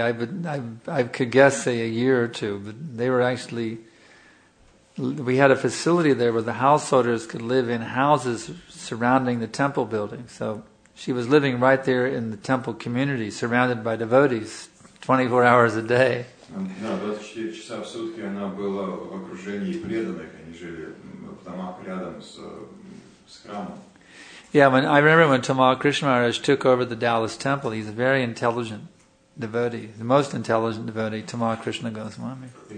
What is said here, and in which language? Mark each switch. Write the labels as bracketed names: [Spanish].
[English] I could guess, say, a year or two. But they were actually... We had a facility there where the householders could live in houses surrounding the temple building. So she was living right there in the temple community, surrounded by devotees, 24 hours a day. [Russian] Yeah, 24 часа в сутки она была в окружении преданных. Они жили в домах рядом с храмом. [English] Yeah, I remember when Tamal Krishna Maharaj took over the Dallas Temple, he's a very intelligent devotee, the most intelligent devotee, Tamal Krishna Goswami.